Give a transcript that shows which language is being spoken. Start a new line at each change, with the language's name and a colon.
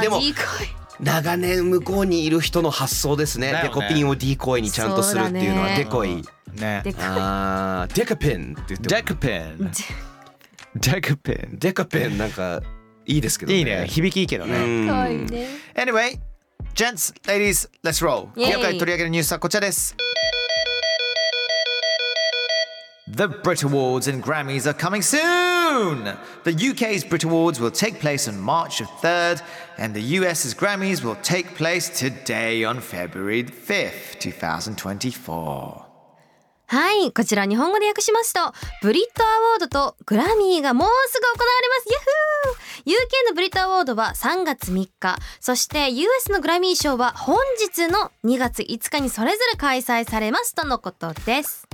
Japanese: でもディーコイ、長年向こうにいる人の発想です ね、 ね、デコピンをディーコイにちゃんとするっていうのは、デコイ、ね、デコイ、あ、デカピンって言って、デカピン、デカピン、デカピン、なんかいいですけどね。いいね、響きいいけどね、可愛いね。
English: AnywayGents, ladies, let's roll.
Japanese: 今回取り上げるニュースはこちらです。
English: The Brit Awards and Grammys are coming soon! soon. The UK's Brit Awards will take place on March 3rd, and the US's Grammys will take place today on February 5th, 2024.
Japanese: はい、こちら日本語で訳しますと、ブリットアワードとグラミーがもうすぐ行われます。ヤッフー。 UK のブリットアワードは3月3日、そして US のグラミー賞は本日の2月5日にそれぞれ開催されますとのことです。